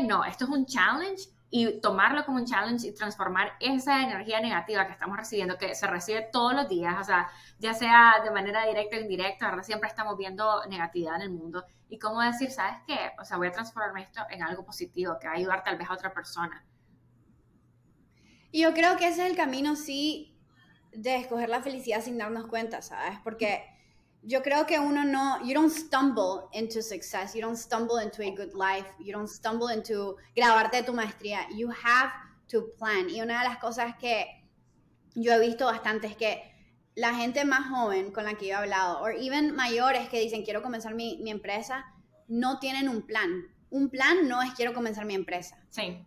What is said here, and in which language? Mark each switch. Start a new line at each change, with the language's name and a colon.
Spanish: No, esto es un challenge, y tomarlo como un challenge y transformar esa energía negativa que estamos recibiendo, que se recibe todos los días, o sea, ya sea de manera directa o indirecta, ¿verdad? Siempre estamos viendo negatividad en el mundo. Y cómo decir, ¿sabes qué? O sea, voy a transformarme esto en algo positivo que va a ayudar tal vez a otra persona. Y yo creo que ese es el camino, sí, de escoger la felicidad sin darnos cuenta, ¿sabes? Porque yo creo que uno no...
English: You don't stumble into success. You don't stumble into a good life. You don't stumble into
Spanish: graduarte de tu maestría.
English: You have to plan.
Spanish: Y una de las cosas que yo he visto bastante es que la gente más joven con la que yo he hablado, o even mayores que dicen, quiero comenzar mi empresa, no tienen un plan. Un plan no es quiero comenzar mi empresa. Sí.